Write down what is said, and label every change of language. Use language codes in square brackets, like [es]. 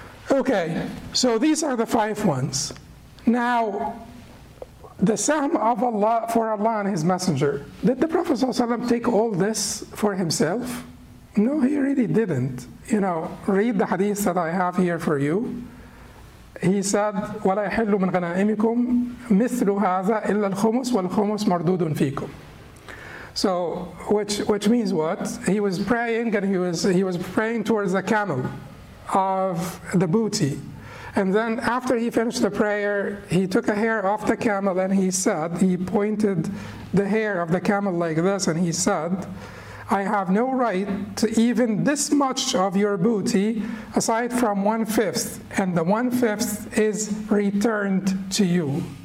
[en] Okay, so these are the five ones. Now, the sahm of Allah for Allah and His Messenger. Did the Prophet ﷺ take all this for himself? No, he really didn't. You know, read the hadith that I have here for you. He said, [ar] وَلَا يَحِلُّ مِنْ غَنَائِمِكُمْ مِثْلُ هَذَا إِلَّا الْخُمُسْ وَالْخُمُسْ مَرْدُودٌ فِيكُمْ. [en] So, which means what? He was praying, and he was praying towards the camel of the booty. And then after he finished the prayer, he took a hair off the camel and he said, he pointed the hair of the camel like this and he said, I have no right to even this much of your booty aside from one-fifth, and the one-fifth is returned to you.